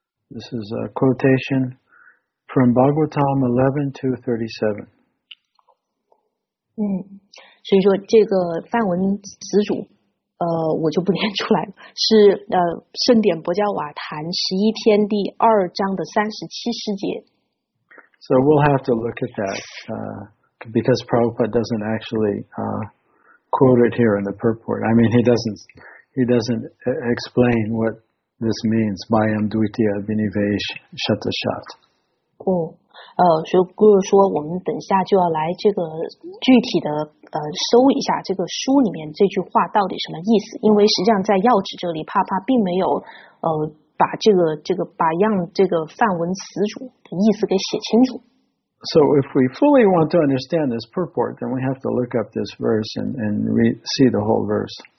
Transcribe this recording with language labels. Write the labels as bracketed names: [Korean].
[English] This is a quotation from Bhagavatam 11:2-37. [Chinese] 所以说这个梵文词组，我就不念出来了。是圣典薄伽瓦坛十一篇第二章的37节。 [English] So we'll have to look at that, because Prabhupada doesn't actually quote it here in the purport. I mean, he doesn't explain what this means. [Sanskrit] Mayam dvitiya binivesh shatashat. [Chinese] 所以就是说，我们等一下就要来这个具体的搜一下这个书里面这句话到底什么意思。因为实际上在要旨这里，帕帕并没有把这个把样这个梵文词组的意思给写清楚。 [English] So if we fully want to understand this purport, then we have to look up this verse and see the whole verse.